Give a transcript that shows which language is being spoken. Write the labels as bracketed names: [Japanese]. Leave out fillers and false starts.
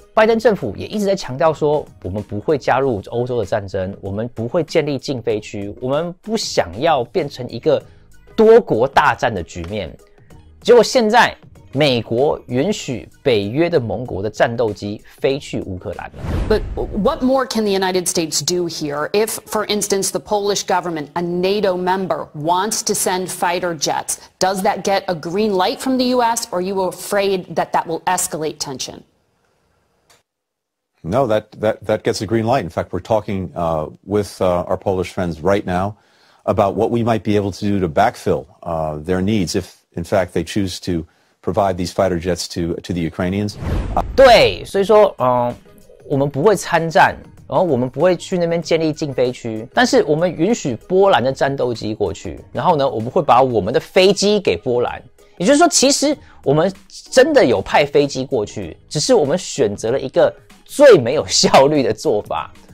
[Chinese] 拜登政府也一直在强调说，我们不会加入欧洲的战争，我们不会建立禁飞区，我们不想要变成一个多国大战的局面。结果现在美国允许北约的盟国的战斗机飞去乌克兰了。 [English] But what more can the United States do here if, for instance, the Polish government, a NATO member, wants to send fighter jets? Does that get a green light from the U.S. or are you afraid that that will escalate tension? No, that gets a green light. In fact, we're talking with our Polish friends right now about what we might be able to do to backfill their needs if, in fact, they choose to. Provide these fighter jets to the Ukrainians. [Chinese] 对，所以说，我们不会参战，然后我们不会去那边建立禁飞区，但是我们允许波兰的战斗机过去，然后呢，我们会把我们的飞机给波兰。也就是说，其实我们真的有派飞机过去，只是我们选择了一个最没有效率的做法。